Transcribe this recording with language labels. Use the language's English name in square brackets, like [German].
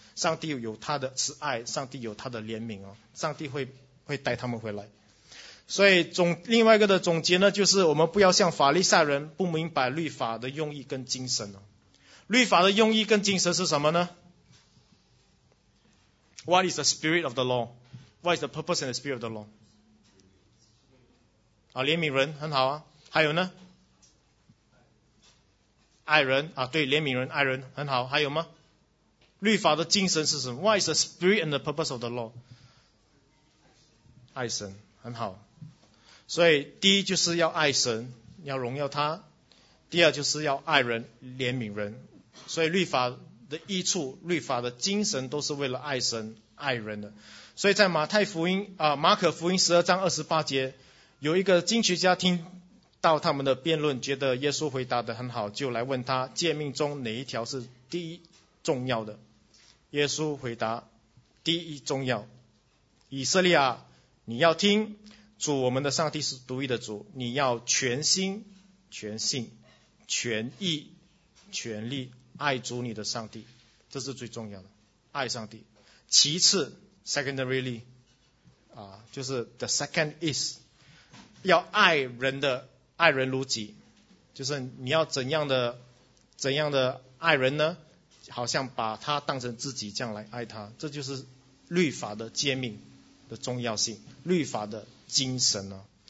[Chinese] 上帝有他的慈爱，上帝有他的怜悯哦，上帝会带他们回来。所以另外一个的总结呢，就是我们不要像法利赛人，不明白律法的用意跟精神哦。律法的用意跟精神是什么呢？ [English] What is the spirit of the law? What is the purpose and the spirit of the law? [Chinese] 啊，怜悯人很好啊。还有呢？爱人啊，对，怜悯人，爱人很好。还有吗？律法的精神是什么？ [English] What is the spirit and the purpose of the law? [Chinese] 爱神，很好。所以第一就是要爱神，要荣耀他；第二就是要爱人，怜悯人。所以律法的益处，律法的精神都是为了爱神爱人的。所以在马可福音十二章二十八节，有一个经学家听到他们的辩论，觉得耶稣回答得很好，就来问他诫命中哪一条是第一重要的。耶稣回答，第一重要，以色列啊，你要听主我们的上帝是独一的主，你要全心全性全意全力爱主你的上帝，这是最重要的，爱上帝。其次 secondarily 啊，就是 [English] the second is [Chinese] 要爱人的爱人如己，就是你要怎样的怎样的爱人呢？好像把他当成自己这样来爱他，这就是律法的诫命的重要性，律法的精神啊。